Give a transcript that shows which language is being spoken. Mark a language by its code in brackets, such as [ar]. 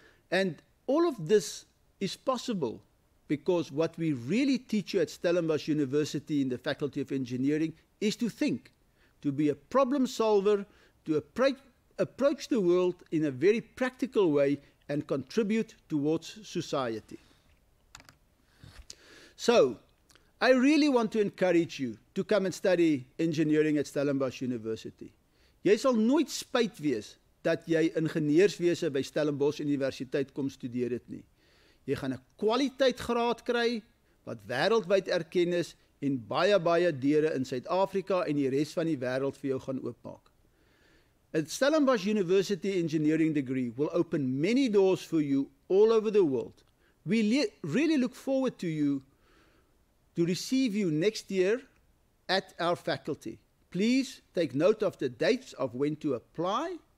[en] And all of this is possible because what we really teach you at Stellenbosch University in the Faculty of Engineering is to think, to be a problem solver, to approach the world in a very practical way and contribute towards society. So, I really want to encourage you to come and study engineering at Stellenbosch University. [af] Jy sal nooit spyt wees dat jy ingenieurswese by Stellenbosch Universiteit kom studeer het nie. Jy gaan 'n kwaliteit graad kry wat wêreldwyd erken is en baie baie deure in Suid-Afrika en die res van die wêreld vir jou gaan oopmaak. [en] A Stellenbosch University engineering degree will open many doors for you all over the world. We really look forward to you to receive you next year at our faculty. Please take note of the dates of when to apply.